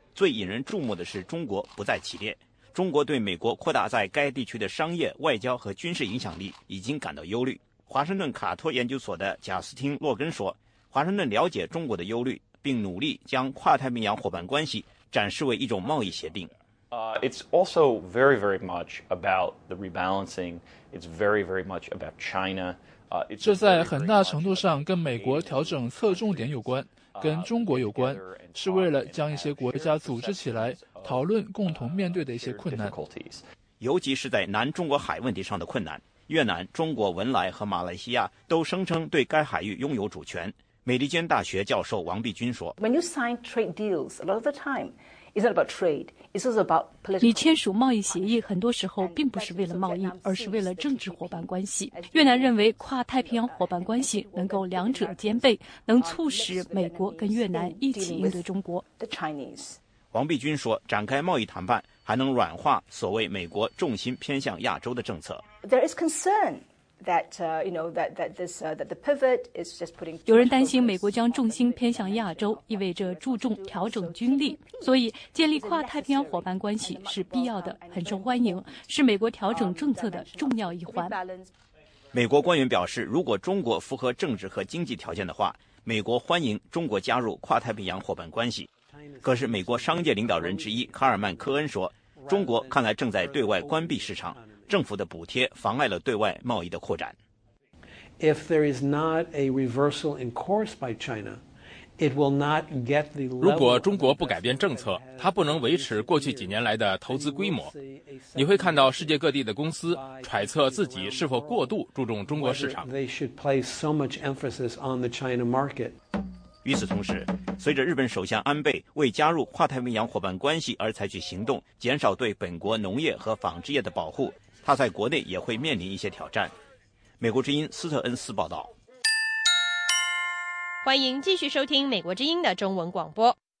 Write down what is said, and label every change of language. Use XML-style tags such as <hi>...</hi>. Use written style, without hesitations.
<zh>最引人注目的是中国不在其列。中国对美国扩大在该地区的商业、外交和军事影响力已经感到忧虑。华盛顿卡托研究所的贾斯汀·洛根说，华盛顿了解中国的忧虑，并努力将跨太平洋伙伴关系展示为一种贸易协定。</zh> <en>It's also very, very much about the rebalancing. It's very, very much about China.</en> <zh>这在很大程度上跟美国调整侧重点有关，跟中国有关，是为了将一些国家组织起来，讨论共同面对的一些困难。尤其是在南中国海问题上的困难，越南、中国、文莱和马来西亚都声称对该海域拥有主权。美利坚大学教授王碧君说</zh> <en>：“When you sign trade deals, a lot of the time, it's not about trade. It's also about political.</en> <zh>你签署贸易协议，很多时候并不是为了贸易，而是为了政治伙伴关系。越南认为跨太平洋伙伴关系能够两者兼备，能促使美国跟越南一起应对中国。王碧君说，展开贸易谈判还能软化所谓美国重心偏向亚洲的政策。</zh> <en>There is concern.” That the pivot is just putting.</en> <zh>有人担心美国将重心偏向亚洲，意味着注重调整军力，所以建立跨太平洋伙伴关系是必要的，很受欢迎，是美国调整政策的重要一环。美国官员表示，如果中国符合政治和经济条件的话，美国欢迎中国加入跨太平洋伙伴关系。可是，美国商界领导人之一卡尔曼·科恩说，中国看来正在对外关闭市场。政府的补贴妨碍了对外贸易的扩展。</zh> <en>If there is not a reversal in course by China, it will not get the.</en> <zh>如果中国不改变政策，它不能维持过去几年来的投资规模。你会看到世界各地的公司揣测自己是否过度注重中国市场。</zh> <en>They should place so much emphasis on the China market.</en> <zh>与此同时，随着日本首相安倍为加入跨太平洋伙伴关系而采取行动，减少对本国农业和纺织业的保护。他在国内也会面临一些挑战。美国之音斯特恩斯报道。欢迎继续收听美国之音的中文广播。</zh>